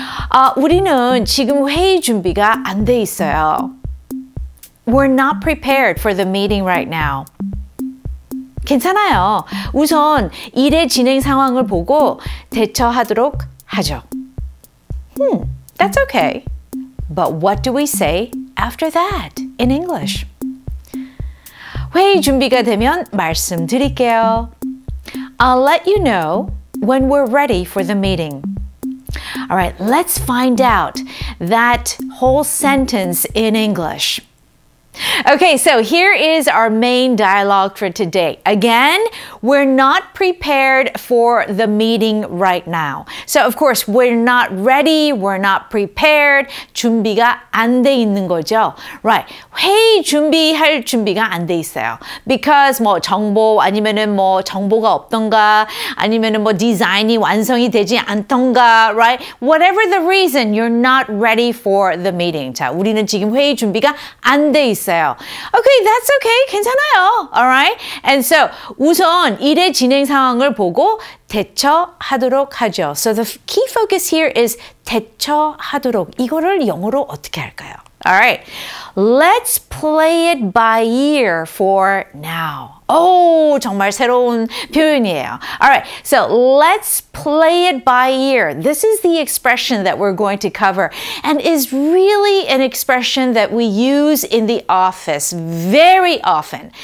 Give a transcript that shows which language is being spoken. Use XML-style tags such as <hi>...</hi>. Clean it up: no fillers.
<ko>아, 우리는 지금 회의 준비가 안 돼 있어요.</ko> <en>We're not prepared for the meeting right now.</en> <ko>괜찮아요. 우선 일의 진행 상황을 보고 대처하도록 하죠.</ko> <en>That's okay. But what do we say after that in English?</en> <ko>회의 준비가 되면 말씀드릴게요.</ko> <en>I'll let you know when we're ready for the meeting. All right, let's find out that whole sentence in English. Okay, so here is our main dialogue for today. Again, we're not prepared for the meeting right now. So, of course, we're not ready, we're not prepared.</en> <ko>준비가 안 돼 있는 거죠. Right, 회의 준비할 준비가 안 돼 있어요. Because 뭐 정보 아니면은 뭐 정보가 없던가 아니면은 뭐 디자인이 완성이 되지 않던가, right?</ko> <en>Whatever the reason, you're not ready for the meeting.</en> <ko>자, 우리는 지금 회의 준비가 안 돼 있어요.</ko> <en>Okay, that's okay.</en> <ko>괜찮아요.</ko> <en>All right. And so,</en> <ko>우선 일의 진행 상황을 보고 대처하도록 하죠.</ko> <en>So the key focus here is 대처하도록.</en> <ko>이거를 영어로 어떻게 할까요?</ko> <en>All right. Let's play it by ear for now.</en> <ko>오, 정말 새로운 표현이에요.</ko> <en>All right. So let's play it by ear. This is the expression that we're going to cover and is really an expression that we use in the office very often.</en>